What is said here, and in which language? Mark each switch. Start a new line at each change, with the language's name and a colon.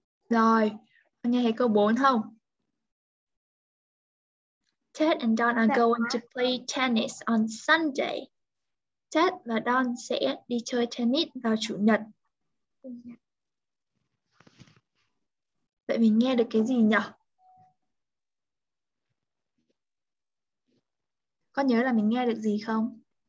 Vietnamese: Rồi, anh nghe thấy câu 4 không?
English: Ted and Don are going to play tennis on Sunday.
Vietnamese: Ted và Don sẽ đi chơi tennis vào chủ nhật. Vậy mình nghe được cái gì nhỉ? Có nhớ là mình nghe được gì không?